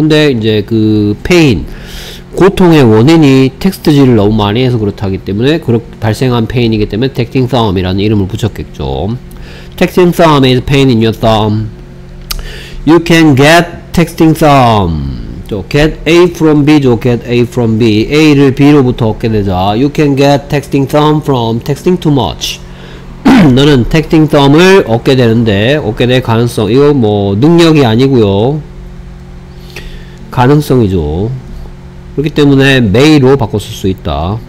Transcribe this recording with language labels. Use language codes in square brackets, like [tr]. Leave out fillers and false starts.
[ko] 근데 이제 그 pain. 고통의 원인이 텍스트지를 너무 많이 해서 그렇다기 때문에 그렇게 발생한 페인이기 때문에 texting thumb 이라는 이름을 붙였겠죠. [en] Texting thumb is pain in your thumb. You can get texting thumb. Get A from B죠. Get A from B. [ko] A를 B로부터 얻게 되자. [en] You can get texting thumb from texting too much. [ko] 너는 texting thumb을 얻게 되는데 얻게 될 가능성. 이거 뭐 능력이 아니고요. 가능성이죠. 그렇기 때문에 may로 바꿨을 수 있다.